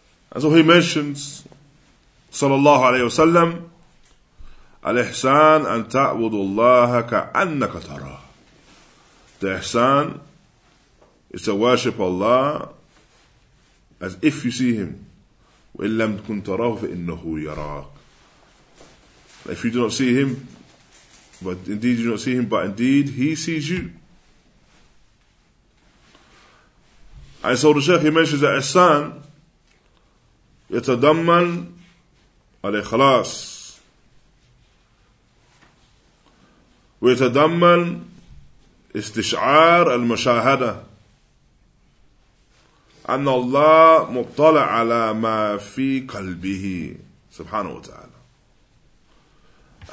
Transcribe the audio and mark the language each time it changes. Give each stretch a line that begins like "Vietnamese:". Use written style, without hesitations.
English: And so he mentions, sallallahu alayhi wa sallam,
Arabic: الإحسان أن تعبد الله كأنك تراه.
English: The Ihsan is to worship Allah as if you see Him.
Arabic: وإن لم تكن تراه فإنه يراك.
English: If you do not see Him, but indeed you do not see Him, but indeed He sees you. And so the Shaykh, he mentions that Ihsan
Arabic: يتضمن الإخلاص ويتضمن استشعار المشاهدة أن الله مطلع على ما في قلبه سبحانه وتعالى.